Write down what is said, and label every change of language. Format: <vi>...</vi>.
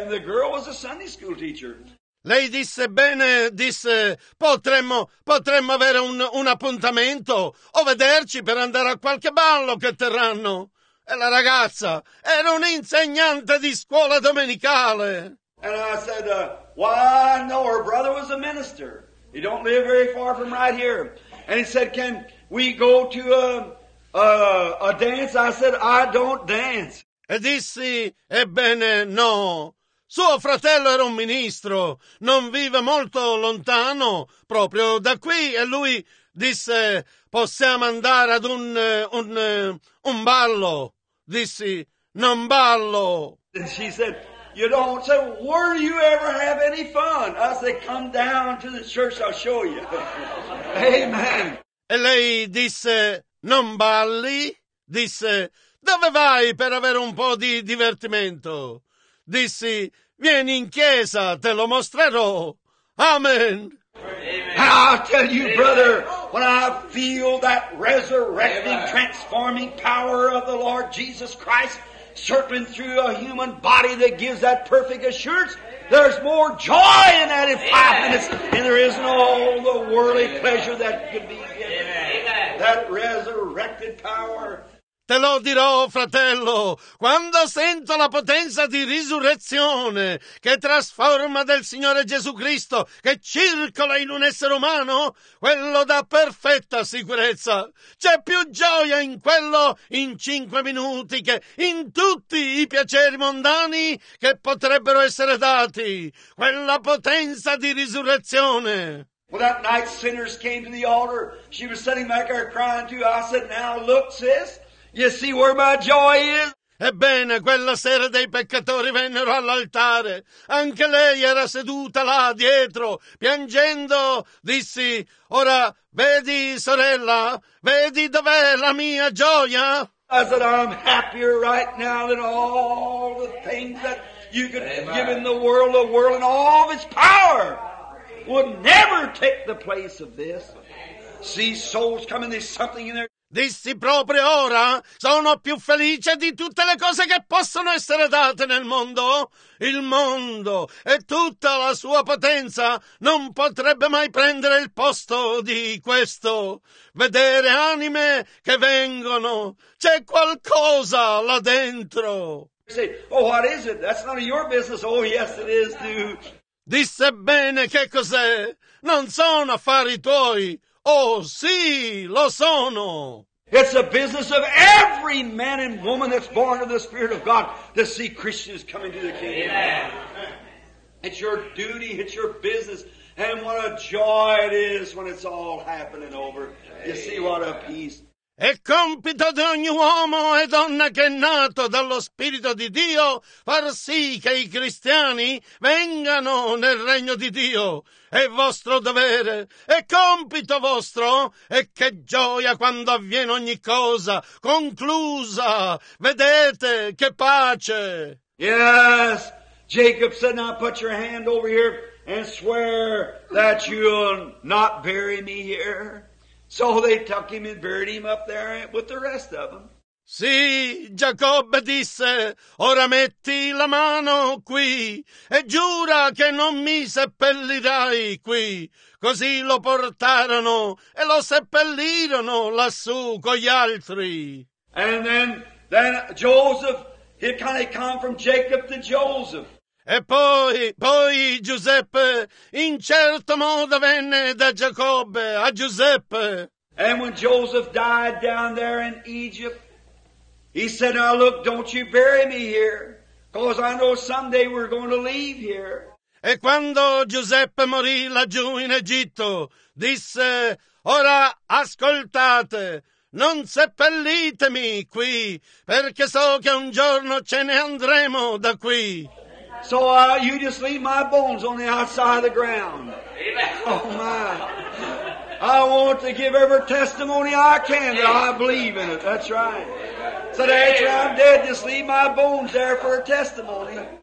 <en>And the girl was a Sunday school teacher.</en> <it>Lei disse: "Bene," disse, potremmo avere un appuntamento o vederci per andare a qualche ballo che terranno." E la ragazza era un'insegnante di scuola domenicale.</it> <en>And I said, "Why, no, her brother was a minister. He don't live very far from right here." And he said, "Can we go to a dance?" I said, "I don't dance."</en> <it>E dissi: "Ebbene, no. Suo fratello era un ministro, non vive molto lontano, proprio da qui." E lui disse: "Possiamo andare ad un ballo." Dissi: "Non ballo."</it> <en>And she said, "You don't." So, "Where do you ever have any fun?" I said, "Come down to the church, I'll show you." Amen.</en> <it>E lei disse: "Non balli?" Disse: "Dove vai per avere un po' di divertimento?" Dissi: "Vieni in chiesa, te lo mostrerò." Amen. Amen.</it> <en>And I'll tell you, brother, when I feel that resurrecting, transforming power of the Lord Jesus Christ circling through a human body that gives that perfect assurance, there's more joy in that in 5 minutes than there is in all the worldly pleasure that could be given. Amen. That resurrected power.</en> <it>Te lo dirò, fratello, quando sento la potenza di risurrezione che trasforma del Signore Gesù Cristo, che circola in un essere umano, quello dà perfetta sicurezza. C'è più gioia in quello in 5 minuti che in tutti i piaceri mondani che potrebbero essere dati. Quella potenza di risurrezione.</it> <en>Well, that night sinners came to the altar. She was sitting back there crying too. I said, "Now look, sis. You see where my joy is?"</en> <it>Ebbene, quella sera dei peccatori vennero all'altare. Anche lei era seduta là dietro, piangendo. Dissi: "Ora, vedi, sorella, vedi dov'è la mia gioia?"</it> <en>I said, I'm happier right now than all the things that you could give in the world. The world and all of its power would never take the place of this. See, souls coming, there's something in there.</en> <it>Dissi proprio ora, sono più felice di tutte le cose che possono essere date nel mondo. Il mondo e tutta la sua potenza non potrebbe mai prendere il posto di questo. Vedere anime che vengono, c'è qualcosa là dentro.</it> <en>Say, oh, what is it? That's none of your business. Oh, yes, it is, dude.</en> <it>Disse bene, che cos'è? Non sono affari tuoi. Oh, sì, lo sono.</it> <en>It's the business of every man and woman that's born of the Spirit of God to see Christians come into the kingdom. Amen. It's your duty, it's your business. And what a joy it is when it's all happening over. You see what a peace.</en> <it>È compito di ogni uomo e donna che è nato dallo Spirito di Dio far sì che i cristiani vengano nel regno di Dio. È vostro dovere, è compito vostro. E che gioia quando avviene ogni cosa conclusa. Vedete che pace.</it> <en>Yes, Jacob said, now put your hand over here and swear that you'll not bury me here. So they took him and buried him up there with the rest of them.</en> <it>Sì, Giacobbe disse, ora metti la mano qui e giura che non mi seppellirai qui. Così lo portarono e lo seppellirono lassù con gli altri.</it> <en>And then Joseph, he kind of come from Jacob to Joseph.</en> <it>E poi Giuseppe in certo modo venne da Giacobbe a Giuseppe.</it> <en>And when Joseph died down there in Egypt, he said, now look, don't you bury me here, because I know someday we're going to leave here.</en> <it>E quando Giuseppe morì laggiù in Egitto, disse, ora ascoltate, non seppellitemi qui, perché so che un giorno ce ne andremo da qui.</it> <en>So you just leave my bones on the outside of the ground. Amen. Oh my. I want to give every testimony I can that I believe in it. That's right. So after I'm dead, just leave my bones there for a testimony.</en>